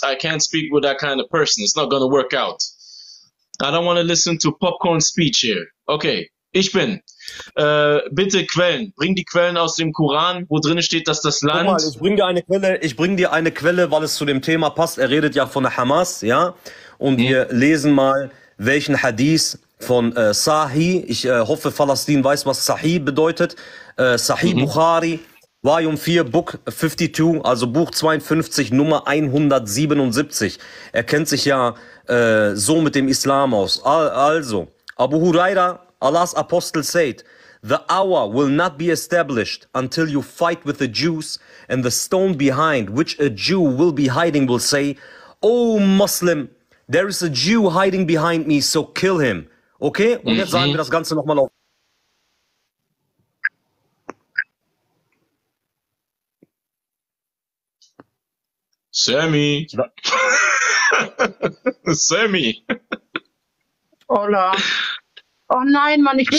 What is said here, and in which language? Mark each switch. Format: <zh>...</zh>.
<en>I can't speak with that kind of person. It's not going to work out. I don't want to listen to popcorn speech here.</en> <de>Okay, ich bin. Bitte Quellen. Bring die Quellen aus dem Koran, wo drin steht, dass das Land. Guck mal, ich bring dir eine Quelle. Ich bring dir eine Quelle, weil es zu dem Thema passt. Er redet ja von der Hamas, ja? Und wir lesen mal, welchen Hadith von Sahih. Ich hoffe, Falastin weiß, was Sahih bedeutet. Sahih Bukhari,</de> <en>Volume 4, Book 52,</en> <de>also Buch 52, Nummer 177. Er kennt sich ja so mit dem Islam aus.</de> <en>Also, Abu Huraira,</en> <de>Allahs Apostel,</de> <en>said, the hour will not be established until you fight with the Jews, and the stone behind which a Jew will be hiding will say, O Muslim, there is a Jew hiding behind me, so kill him.</en> <de>Okay? Und jetzt sagen wir das Ganze nochmal auf. Sammy. Sammy. Hola. Oh nein, Mann, ich will</de>